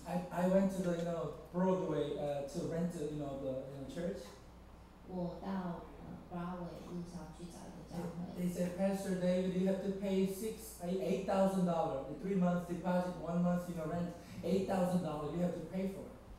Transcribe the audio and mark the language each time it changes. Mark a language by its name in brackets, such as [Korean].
[English] I went to the, you know, Broadway to rent, you know, the, you know, church. [Chinese] 我到 Broadway 路上去找一个教会. [English] They said, Pastor David, you have to pay $8,000, 3 months deposit, 1 month, you know, rent, $8,000, you have to pay for it.